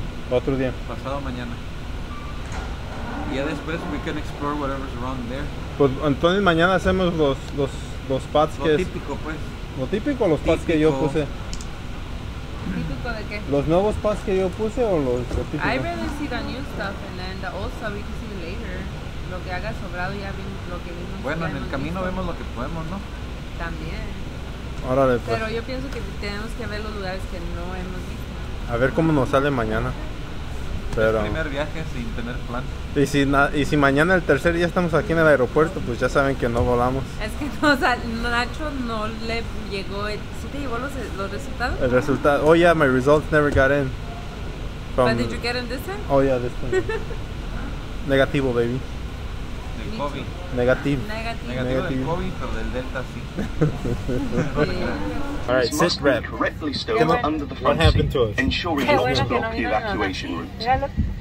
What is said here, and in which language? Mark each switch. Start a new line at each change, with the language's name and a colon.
Spanish: otro día. Pasado mañana. Y ya después
English: we can explore whatever's around there.
Spanish: Pues entonces mañana hacemos los pads lo que típico, es. Pues. ¿Lo típico o los pads que yo puse? ¿Típico de qué? ¿Los nuevos pads que yo puse o los típicos?
English: I'd rather see the new stuff and then the old stuff we can see later.
Spanish: Lo que haga sobrado ya vimos lo que vimos. Bueno, en el camino visto. Vemos lo que podemos, ¿no? También. Órale, pues. Pero yo pienso que tenemos que ver los lugares que no hemos visto. A ver cómo nos sale mañana. Pero el primer viaje sin tener plan. Y si mañana el tercer día estamos aquí en el aeropuerto, pues ya saben que no volamos. Es que no, o sea, Nacho no le llegó, ¿sí te llegó los resultados? El resultado,
English: oh yeah, my results never got in. From, but did you get in this time? Oh yeah, this time. Negativo, baby.
Spanish: Del COVID. Negativo. Negativo del COVID, pero del Delta sí.
English: Yeah. All right, sit rep. Correctly stowed under the front seat, ensuring not to block the evacuation route.